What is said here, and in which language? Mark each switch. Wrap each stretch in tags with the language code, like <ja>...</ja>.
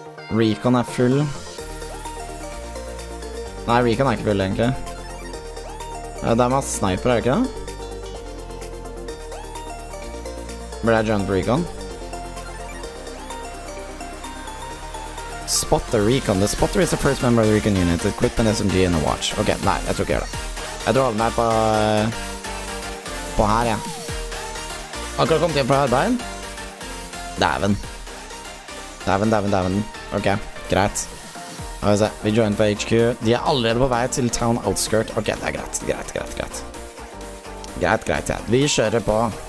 <no>Recon er full. Nei, Recon er ikke full egentlig. Det er masse sniper, er det ikke det? Blir jeg joined på Recon?</no> <en>Spot the Recon. The spotter is the first member of the Recon unit. Equip an SMG and a watch.</en> <no>Ok, nei, jeg tror ikke jeg gjør det. Jeg tror alle meg på her, ja. Akkurat kom til fra arbeid. Daven. Ok, greit. Nå skal vi se, vi joiner på HQ. De allerede på vei til Town Outskirt. Ok, det greit. Greit, ja. Vi kjører på.</no>